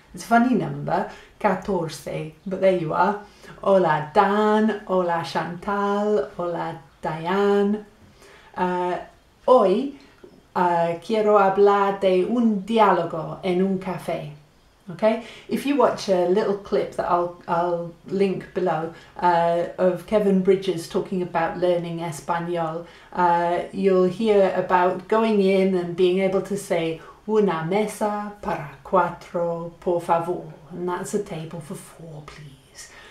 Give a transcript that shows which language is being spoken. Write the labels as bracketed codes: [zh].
[en] It's a funny number, 14, but there you are. [es] Hola Dan, hola Chantal, hola Diane. Hoy quiero hablar de un diálogo en un café. [en] Okay, if you watch a little clip that I'll link below of Kevin Bridges talking about learning Espanol, you'll hear about going in and being able to say [es] una mesa para cuatro, por favor, [en] and that's a table for four, please.